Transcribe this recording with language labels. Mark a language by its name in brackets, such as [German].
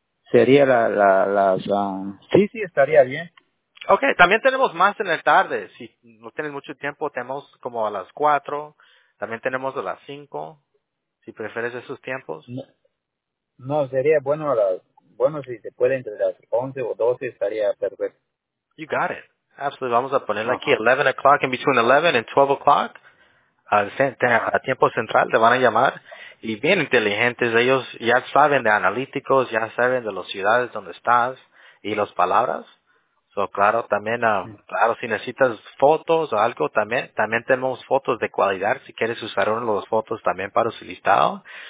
[Spanish] Sería las... Sí, estaría bien. Okay, también tenemos más en la tarde. Si no tienes mucho tiempo, tenemos como a las 4. También tenemos a las 5. Si prefieres esos tiempos. No, sería bueno si se puede entre las 11 o 12, estaría perfecto. [English] You got it. Absolutely. [Spanish] Vamos a ponerle aquí 11 [English] o'clock, in between 11 and 12 o'clock. [Spanish] a tiempo central, te van a llamar, y bien inteligentes, ellos ya saben de analíticos, ya saben de las ciudades donde estás, y las palabras. So, claro, también, claro, si necesitas fotos o algo, también tenemos fotos de calidad, si quieres usar una de las fotos también para su listado.